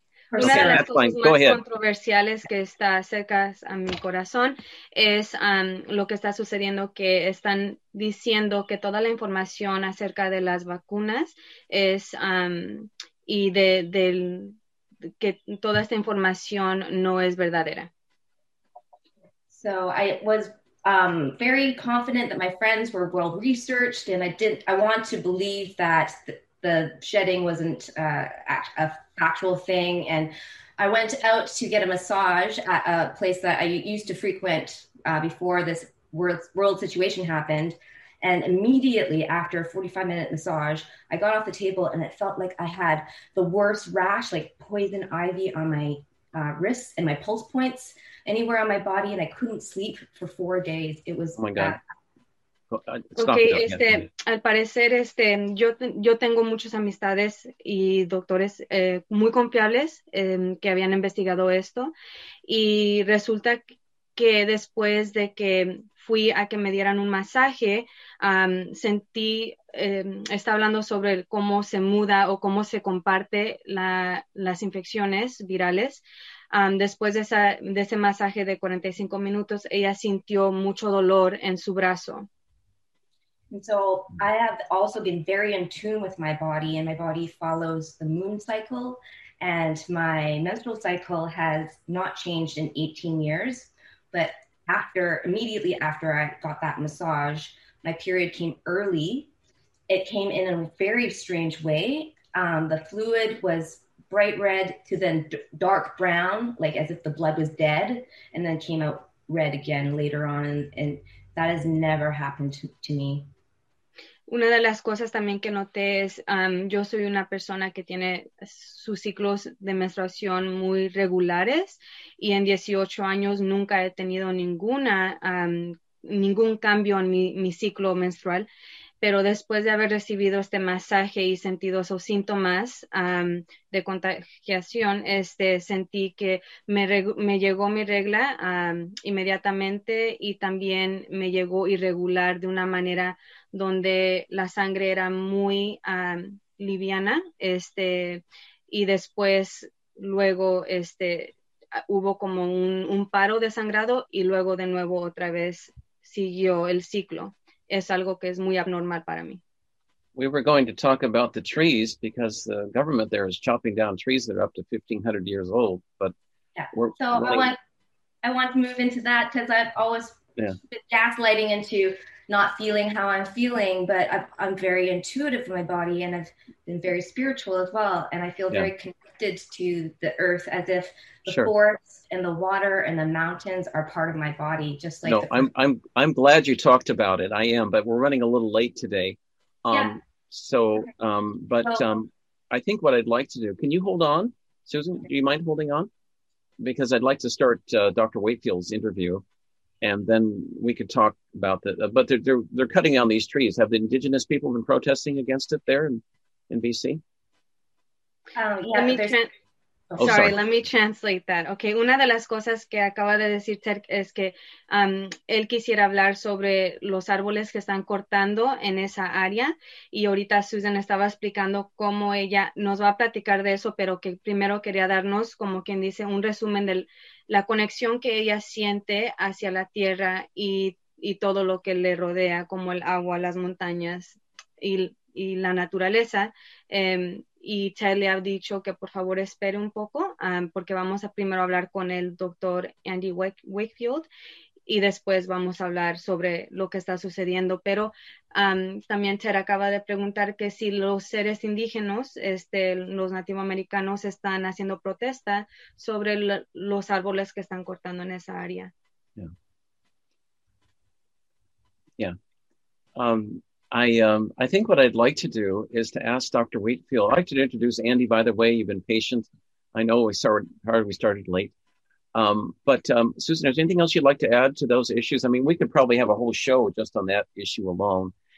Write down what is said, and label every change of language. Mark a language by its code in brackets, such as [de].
[es] Una de las cosas más controversiales que está cerca a mi corazón es lo que está sucediendo, que están diciendo que toda la información acerca de las vacunas es y de que toda esta información no es verdadera. [en] So I was very confident that my friends were well researched, and I want to believe that the shedding wasn't a factual thing. And I went out to get a massage at a place that I used to frequent before this world situation happened. And immediately after a 45 minute massage, I got off the table and it felt like I had the worst rash, like poison ivy on my wrists and my pulse points anywhere on my body. And I couldn't sleep for 4 days. It was bad. [es] Ok, al parecer yo tengo muchas amistades y doctores muy confiables que habían investigado esto, y resulta que después de que fui a que me dieran un masaje, sentí, está hablando sobre cómo se muda o cómo se comparte las infecciones virales. Después de ese masaje de 45 minutos, ella sintió mucho dolor en su brazo. [en] And so I have also been very in tune with my body, and my body follows the moon cycle, and my menstrual cycle has not changed in 18 years. But immediately after I got that massage, my period came early. It came in a very strange way. The fluid was bright red to then dark brown, like as if the blood was dead, and then came out red again later on. And that has never happened to me. [es] Una de las cosas también que noté es, yo soy una persona que tiene sus ciclos de menstruación muy regulares, y en 18 años nunca he tenido ningún cambio en mi ciclo menstrual, pero después de haber recibido este masaje y sentido esos síntomas de contagiación, sentí que me llegó mi regla inmediatamente, y también me llegó irregular de una manera donde la sangre era muy liviana, y después luego hubo como un paro de sangrado, y luego de nuevo otra vez siguió el ciclo. Es algo que es muy abnormal para mí. [en] We were going to talk about the trees because the government there is chopping down trees that are up to 1500 years old, but yeah. I want to move into that because I've always been gaslighting into not feeling how I'm feeling, but I'm very intuitive with my body, and I've been very spiritual as well. And I feel very connected to the earth as if the forests and the water and the mountains are part of my body. Just like I'm glad you talked about it. I am, but we're running a little late today. Yeah. So, I think what I'd like to do, can you hold on, Susan? Do you mind holding on? Because I'd like to start Dr. Wakefield's interview, and then we could talk about that. But they're cutting down these trees. Have the indigenous people been protesting against it there in BC? Let me translate that. [es] Okay, una de las cosas que acaba de decir Ted es que él quisiera hablar sobre los árboles que están cortando en esa área, y ahorita Susan estaba explicando cómo ella nos va a platicar de eso, pero que primero quería darnos, como quien dice, un resumen de la conexión que ella siente hacia la tierra y todo lo que le rodea, como el agua, las montañas y la naturaleza. Y Ted le ha dicho que por favor espere un poco, porque vamos a primero hablar con el doctor Andy Wakefield y después vamos a hablar sobre lo que está sucediendo. Pero también Ted acaba de preguntar que si los seres indígenas, los nativoamericanos, están haciendo protesta sobre los árboles que están cortando en esa área. [en] I think what I'd like to do is to ask Dr. Wakefield. I'd like to introduce Andy, by the way. You've been patient. I know we started late. But Susan, is there anything else you'd like to add to those issues? I mean, we could probably have a whole show just on that issue alone.